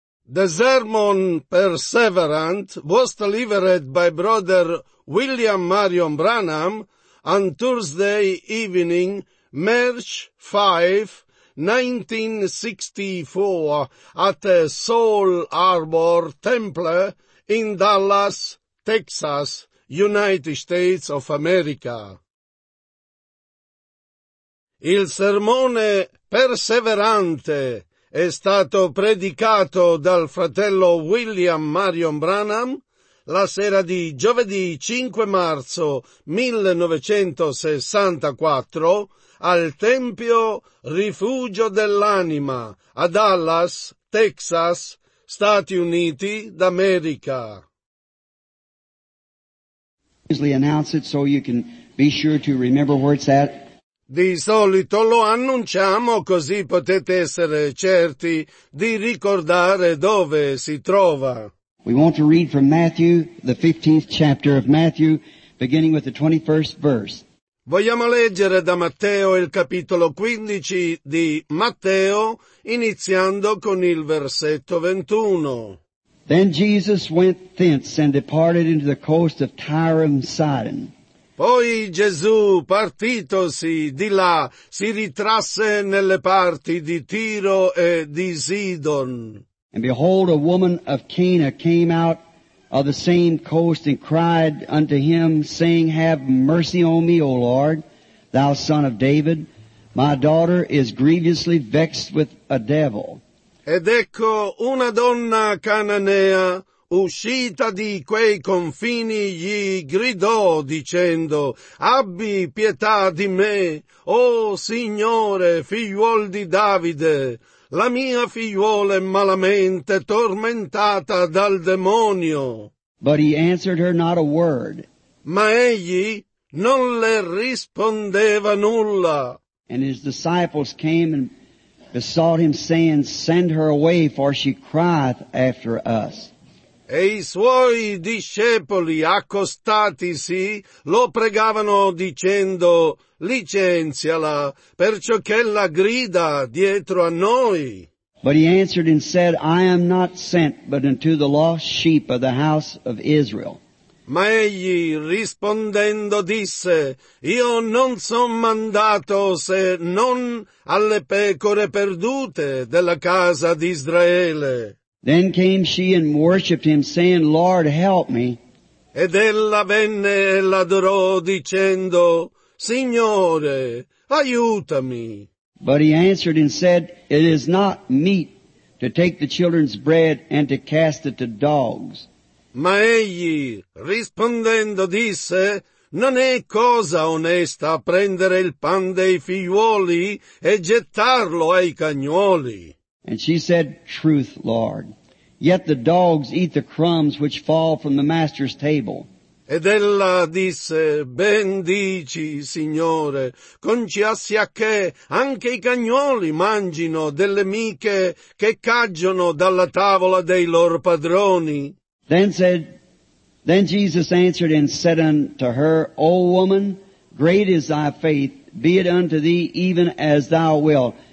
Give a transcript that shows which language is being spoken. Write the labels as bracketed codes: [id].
[en] The sermon Perseverant was delivered by Brother William Marion Branham on Thursday evening, March 5, 1964, at Soul Harbor Temple in Dallas, Texas, United States of America. [it] Il sermone Perseverante è stato predicato dal fratello William Marion Branham la sera di giovedì 5 marzo 1964 al Tempio Rifugio dell'Anima a Dallas, Texas, Stati Uniti d'America. [en] Usually announce it so you can be sure to remember where it's at. [it] Di solito lo annunciamo così potete essere certi di ricordare dove si trova. [en] We want to read from Matthew, the 15th chapter of Matthew, beginning with the 21st verse. [it] Vogliamo leggere da Matteo il capitolo 15 di Matteo, iniziando con il versetto 21. [en] Then Jesus went thence and departed into the coast of Tyre and Sidon. [it] Poi Gesù, partitosi di là, si ritrasse nelle parti di Tiro e di Sidon. [en] And behold, a woman of Cana came out of the same coast and cried unto him, saying, Have mercy on me, O Lord, thou son of David. My daughter is grievously vexed with a devil. [it] Ed ecco una donna cananea, uscita di quei confini, gli gridò dicendo, Abbi pietà di me, o Signore, figliuol di Davide, la mia figliuola è malamente tormentata dal demonio. [en] But he answered her not a word. [it] Ma egli non le rispondeva nulla. [en] And his disciples came and besought him, saying, Send her away, for she crieth after us. [it] E i suoi discepoli, accostatisi, lo pregavano dicendo, Licenziala, perciò che ella grida dietro a noi. [en] But he answered and said, I am not sent but unto the lost sheep of the house of Israel. [it] Ma egli rispondendo disse, Io non son mandato se non alle pecore perdute della casa di Israele. [en] Then came she and worshipped him, saying, Lord, help me. [it] Ed ella venne e l'adorò dicendo, Signore, aiutami. [en] But he answered and said, It is not meet to take the children's bread and to cast it to dogs. [it] Ma egli, rispondendo, disse, Non è cosa onesta prendere il pan dei figliuoli e gettarlo ai cagnuoli. [en] And she said, Truth, Lord. Yet the dogs eat the crumbs which fall from the master's table. [it] Ed ella disse, Ben dici, Signore, conciassia che anche i cagnoli mangino delle miche che caggiono dalla tavola dei loro padroni. [en] Then Jesus answered and said unto her, O woman, great is thy faith, be it unto thee even as thou wilt.